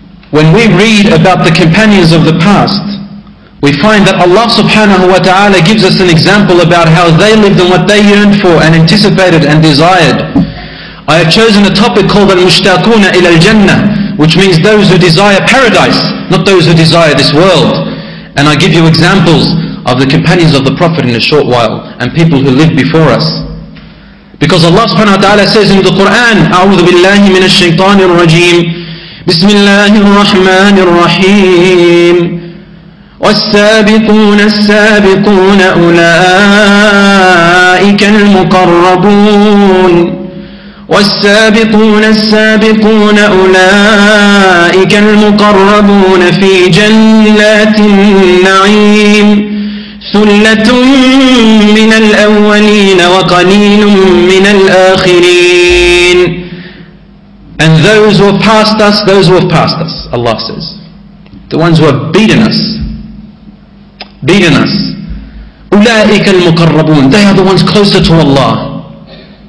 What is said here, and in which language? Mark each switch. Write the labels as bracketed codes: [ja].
[en] When we read about the companions of the past, we find that Allah subhanahu wa ta'ala gives us an example about how they lived and what they yearned for and anticipated and desired. I have chosen a topic called [ar] al-mushtaquna ila al-jannah, [en] which means those who desire paradise, not those who desire this world. And I give you examples of the companions of the Prophet in a short while and people who lived before us. [ar] Because Allah subhanahu wa ta'ala says in the Quran, أعوذ بالله من الشيطان الرجيم بسم الله الرحمن الرحيم والسابقون السابقون أولئك المقربون والسابقون السابقون أولئك المقربون في جنات النعيم ثلة من الأولين وقليل من الآخرين. [en] And those who have passed us, those who have passed us, Allah says, the ones who have beaten us, beaten us, [ar] أولئك المقربون, [en] they are the ones closer to Allah.